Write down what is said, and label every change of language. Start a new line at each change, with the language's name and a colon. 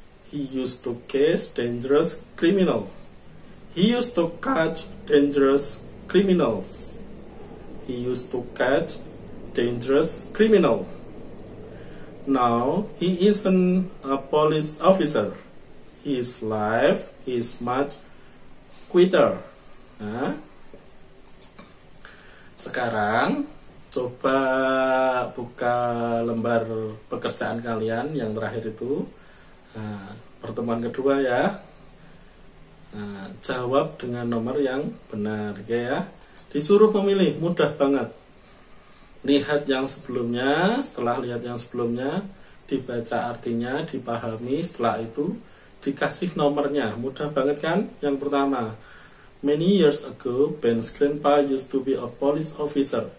English: He used to catch dangerous criminal. He used to catch dangerous criminals. He used to catch dangerous criminal. Now he isn't a police officer. His life is much quieter.
Indonesian: Sekarang coba buka lembar pekerjaan kalian yang terakhir itu. Pertemuan kedua ya. Jawab dengan nomor yang benar ya. Disuruh memilih, mudah banget. Lihat yang sebelumnya, setelah lihat yang sebelumnya, dibaca artinya, dipahami, setelah itu dikasih nomornya. Mudah banget kan? Yang pertama,
English: many years ago, Ben's grandpa used to be a police officer.